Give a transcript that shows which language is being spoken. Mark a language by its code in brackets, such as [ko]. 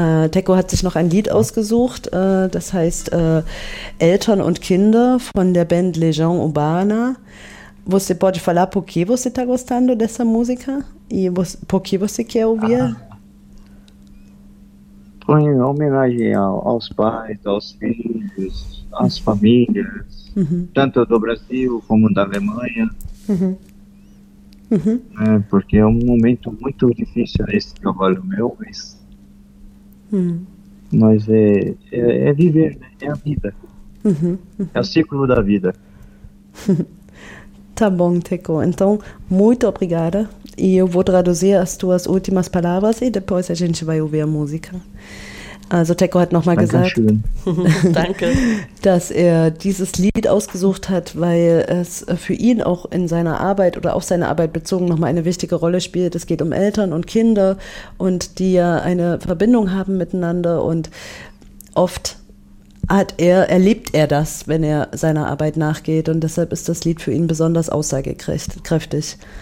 [de] Teco hat sich noch ein Lied ausgesucht, das heißt Eltern und Kinder von der Band Legião Urbana. [pt] Você pode falar por que você está gostando dessa música? E por que você quer ouvir? Foi em homenagem aos pais, aos filhos, às famílias, tanto do Brasil como da Alemanha. É, porque é um momento muito difícil esse trabalho meu, mas. Mas é viver, né? É a vida. É o ciclo da vida. Tá bom, Teco. Então, muito obrigada. E eu vou traduzir as tuas últimas palavras e depois a gente vai ouvir a música. [de] Also Teco hat nochmal gesagt, danke, dass er dieses Lied ausgesucht hat, weil es für ihn auch in seiner Arbeit oder auf seine Arbeit bezogen nochmal eine wichtige Rolle spielt. Es geht um Eltern und Kinder und die ja eine Verbindung haben miteinander und oft erlebt er das, wenn er seiner Arbeit nachgeht und deshalb ist das Lied für ihn besonders aussagekräftig.